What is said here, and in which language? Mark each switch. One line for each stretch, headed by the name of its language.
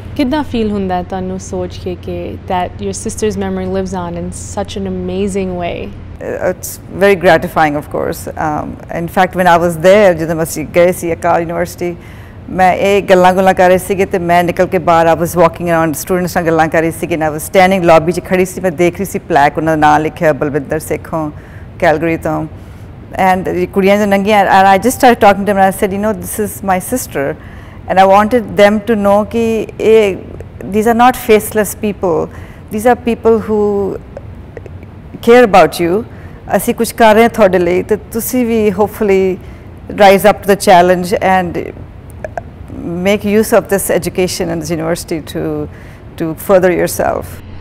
Punjabi: ਕਿੱਦਾਂ ਫੀਲ ਹੁੰਦਾ ਤੁਹਾਨੂੰ ਸੋਚ ਕੇ ਕਿ
English: That your sister's memory lives on in such an amazing way It's very gratifying, of course. In fact, when I was there, when I was at Akal University, I was talking about this, and when I came out, I was walking around, students were talking about this, and I was standing in the lobby, and I was watching this plaque, and I was writing Balbinder Singh, Calgary. And the girls were young, and I just started talking to them, and I said, you know, this is my sister. And I wanted them to know that these are not faceless people. These are people who care about you.
Punjabi: ਅਸੀਂ ਕੁਛ ਕਰ ਰਹੇ ਹਾਂ ਤੁਹਾਡੇ ਲਈ ਅਤੇ ਤੁਸੀਂ ਵੀ
English: hopefully rise up to the challenge and make use of this education in this university to further yourself